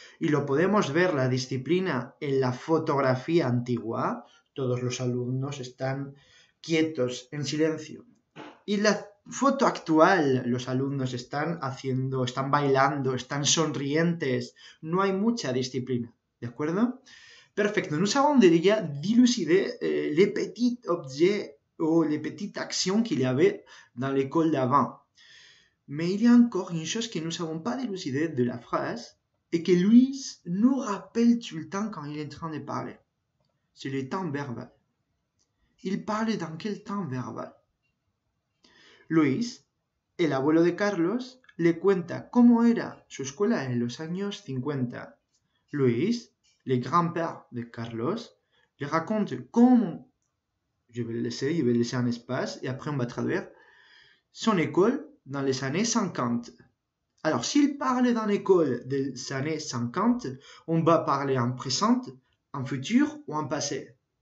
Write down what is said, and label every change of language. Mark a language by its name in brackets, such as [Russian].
[Spanish] Y lo podemos ver, la disciplina, en la fotografía antigua. Todos los alumnos están quietos, en silencio. Y la foto actual, los alumnos están haciendo, están bailando, están sonrientes. No hay mucha disciplina. ¿De acuerdo? Perfecto. [French] Nous avons déjà dilucidé les petits objets ou les petites actions qu'il y avait dans l'école d'avant. Mais il y a encore une chose que nous n'avons pas dilucidé de la phrase et que Luis nous rappelle tout le temps quand il est en train de parler. C'est le temps verbal. Il parle dans quel temps verbal? [Spanish] Luis, el abuelo de Carlos, le cuenta cómo era su escuela en los años 50. [French] Luis, le grand-père de Carlos, le raconte cómo, je vais laisser un espace, y après on va traduire, son école dans les années 50. Alors, s'il parle d'une école des années 50, on va parler en présent, en futur ou en passé?